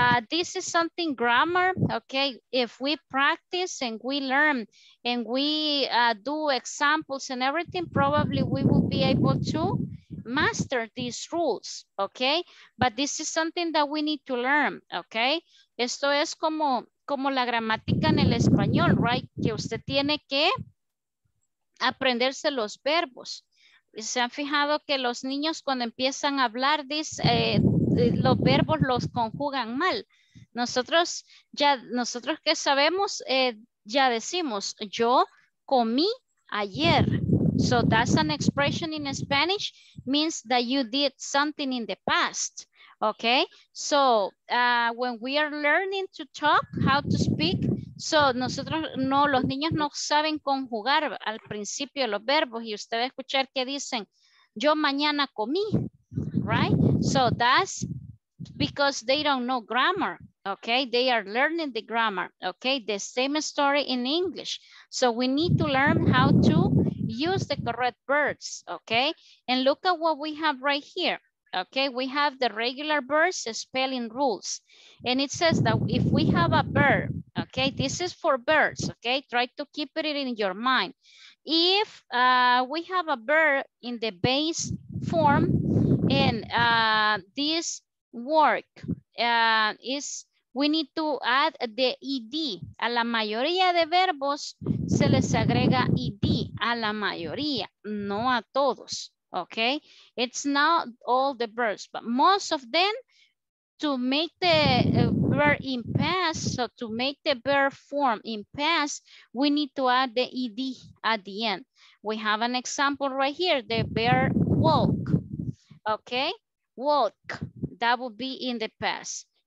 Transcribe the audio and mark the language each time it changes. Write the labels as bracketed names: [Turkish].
[English] This is something grammar, okay? If we practice and we learn and we do examples and everything, probably we will be able to master these rules, okay? But this is something that we need to learn, okay? [Spanish] Esto es como, como la gramática en el español, right? Que usted tiene que aprenderse los verbos. ¿Se han fijado que los niños cuando empiezan a hablar dicen, los verbos los conjugan mal? Nosotros ya, nosotros que sabemos, ya decimos, yo comí ayer. [English] So that's an expression in Spanish, means that you did something in the past. Okay, so when we are learning to talk, how to speak, [Spanish] so nosotros no, los niños no saben conjugar al principio los verbos, y usted va a escuchar que dicen, yo mañana comí. [English] Right, so that's because they don't know grammar, okay? They are learning the grammar, okay? The same story in English. So we need to learn how to use the correct verbs, okay? And look at what we have right here, okay? We have the regular verbs spelling rules. And it says that if we have a verb, okay? This is for verbs, okay? Try to keep it in your mind. If we have a verb in the base form, and this work is, we need to add the ed. [Spanish] A la mayoría de verbos se les agrega ed, a la mayoría, no a todos, okay? [English] It's not all the verbs, but most of them, to make the verb in past, so to make the verb form in past, we need to add the ed at the end. We have an example right here, the verb walk. Okay, walk, that would be in the past.